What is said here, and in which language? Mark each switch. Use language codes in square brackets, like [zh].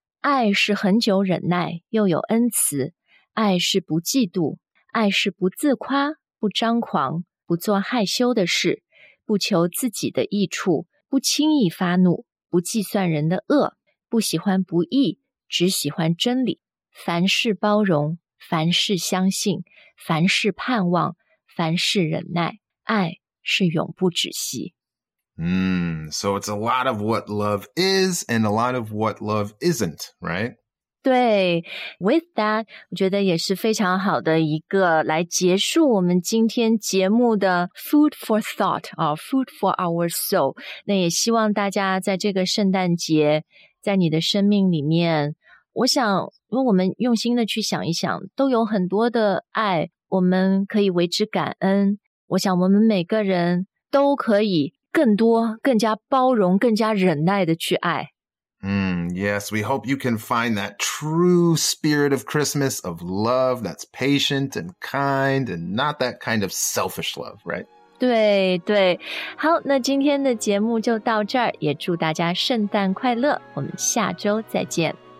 [zh] 爱是很久忍耐，又有恩慈。爱是不嫉妒，爱是不自夸，不张狂，不做害羞的事，不求自己的益处，不轻易发怒，不计算人的恶，不喜欢不义，只喜欢真理。凡事包容，凡事相信，凡事盼望，凡事忍耐。爱是永不止息。 [en] So it's a lot of what love is and a lot of what love isn't, right? [zh] 对, [en] with that, [zh] 我觉得也是非常好的一个来结束我们今天节目的 [en] food for thought, food for our soul. [zh] 那也希望大家在这个圣诞节在你的生命里面我想如果我们用心的去想一想都有很多的爱我们可以为之感恩。我想我们每个人都可以更多更加包容更加忍耐的去爱。 [en] Yes, we hope you can find that true spirit of Christmas, of love that's patient and kind and not that kind of selfish love, right? [zh] 对对。好那今天的节目就到这儿也祝大家圣诞快乐我们下周再见。